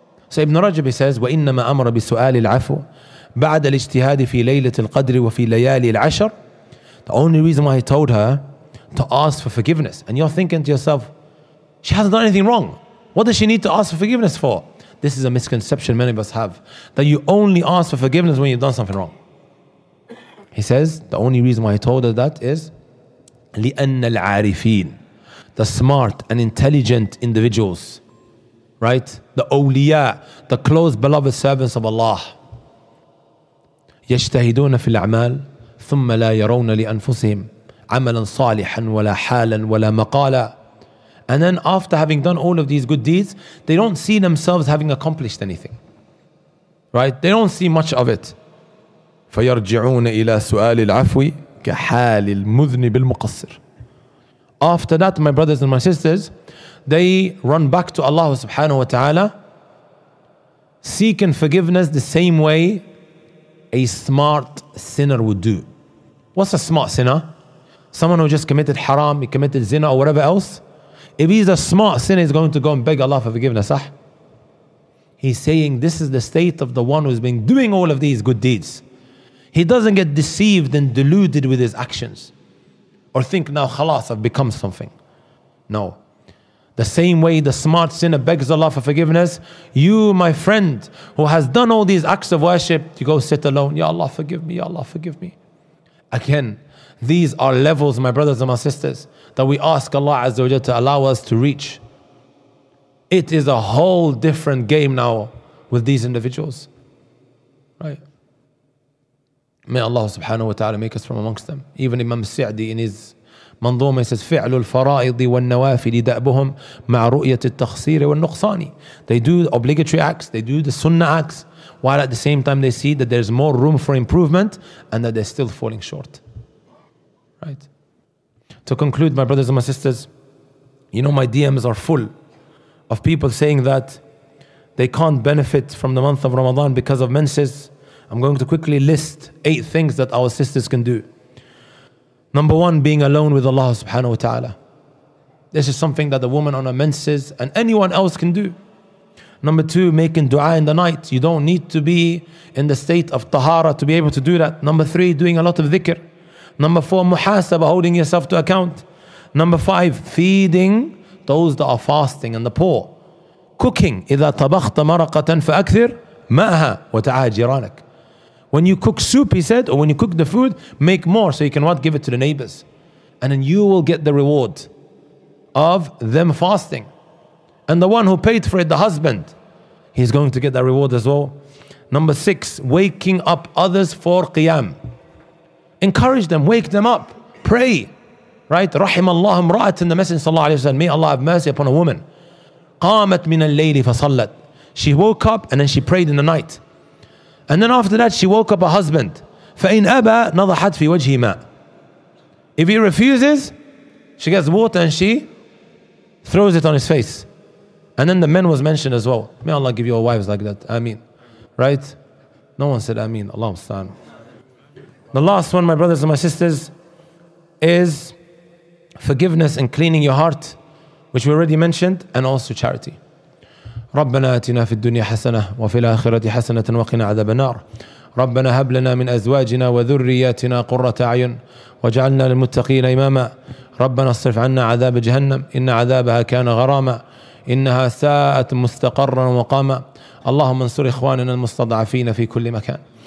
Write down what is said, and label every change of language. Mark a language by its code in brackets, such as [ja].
[en] So Ibn Rajab says, [ar] وَإِنَّمَا أَمَرَ بِسُؤَالِ الْعَفُوْ بَعْدَ الْإِجْتِهَادِ فِي لَيْلَةِ الْقَدْرِ وَفِي لَيَالِ الْعَشَرِ. [en] The only reason why he told her to ask for forgiveness. And you're thinking to yourself, she hasn't done anything wrong. What does she need to ask for forgiveness for? This is a misconception many of us have. That you only ask for forgiveness when you've done something wrong. He says, the only reason why he told her that is, [ar] لِأَنَّ الْعَارِفِينَ. [en] The smart and intelligent individuals. Right? The awliya, the close beloved servants of Allah. [ar] يَجْتَهِدُونَ فِي الْأَعْمَالِ ثُمَّ لَا يَرَوْنَ لِأَنفُسِهِمْ عَمَلًا صَالِحًا وَلَا حَالًا وَلَا مَقَالًا. [en] And then after having done all of these good deeds, they don't see themselves having accomplished anything. Right? They don't see much of it. [ar] فيرجعون إلى سؤال العفو كحال المذنب المقصر. [en] After that, my brothers and my sisters, they run back to Allah subhanahu wa ta'ala, seeking forgiveness the same way a smart sinner would do. What's a smart sinner? Someone who just committed haram, he committed zina or whatever else. If he's a smart sinner, he's going to go and beg Allah for forgiveness. Ah? He's saying this is the state of the one who's been doing all of these good deeds. He doesn't get deceived and deluded with his actions. Or think now, khalas, I've become something. No. The same way the smart sinner begs Allah for forgiveness, you, my friend, who has done all these acts of worship, you go sit alone. Ya Allah, forgive me. Ya Allah, forgive me. Again, these are levels, my brothers and my sisters, that we ask Allah Azza wa Jalla to allow us to reach. It is a whole different game now with these individuals. Right? May Allah subhanahu wa ta'ala make us from amongst them. Even Imam Sa'di in his منظومة, he says, [ar] فعل الفرائض والنوافل دأبهم مع رؤية التخصير والنقصان. [en] They do the obligatory acts, they do the sunnah acts, while at the same time they see that there's more room for improvement and that they're still falling short. Right? To conclude, my brothers and my sisters, you know, my DMs are full of people saying that they can't benefit from the month of Ramadan because of menses. I'm going to quickly list 8 things that our sisters can do. Number one, being alone with Allah subhanahu wa ta'ala. This is something that the woman on her menses and anyone else can do. Number two, making dua in the night. You don't need to be in the state of tahara to be able to do that. Number three, doing a lot of dhikr. Number four, muhasaba, holding yourself to account. Number five, feeding those that are fasting and the poor. Cooking. [ar] إذا طبخت مرقة فأكثر ماها وتعا جيرانك. [en] When you cook soup, he said, or when you cook the food, make more so you can what? Give it to the neighbors. And then you will get the reward of them fasting. And the one who paid for it, the husband, he's going to get that reward as well. Number six, waking up others for qiyam. Encourage them, wake them up, pray. Right? [ar] رحم الله امرأة [en] in the Messenger [ar] صلى الله عليه وسلم. [en] May Allah have mercy upon a woman. [ar] قامت من الليل فصلت. [en] She woke up and then she prayed in the night. And then after that, she woke up her husband. [ar] فَإِنْ أَبَى نَضَحَتْ فِي وَجْهِ مَا. [en] If he refuses, she gets water and she throws it on his face. And then the men was mentioned as well. May Allah give your wives like that. Ameen. Right? No one said ameen. Allahu Akbar. The last one, my brothers and my sisters, is forgiveness and cleaning your heart, which we already mentioned, and also charity. [ar] ربنا آتنا في الدنيا حسنة وفي الآخرة حسنة وقنا عذاب النار ربنا هب لنا من أزواجنا وذرياتنا قرة أعين وجعلنا للمتقين إماما ربنا اصرف عنا عذاب جهنم إن عذابها كان غراما إنها ساءت مستقرا وقاما اللهم انصر إخواننا المستضعفين في كل مكان